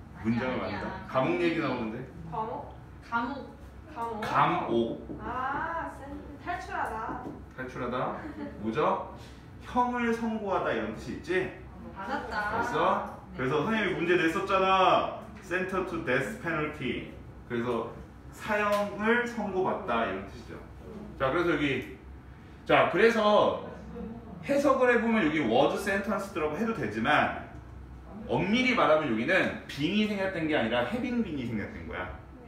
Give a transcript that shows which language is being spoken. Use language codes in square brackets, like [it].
[ko] 문장을 만든다. 감옥 얘기 나오는데. 감옥? 감옥. 감옥. 아, 탈출하다. 탈출하다. 뭐죠? 형을 선고하다 이런 뜻이 있지? 받았다. 됐어? 그래서 네. 선생님이 문제 냈었잖아. [en] Sentence to death penalty. [ko] 그래서 사형을 선고받다 이런 뜻이죠. 자, 그래서 여기. 자, 그래서 해석을 해보면 여기 was sentence라고 해도 되지만 엄밀히 말하면 여기는 being이 생겼던 게 아니라 having been이 생겼던 거야.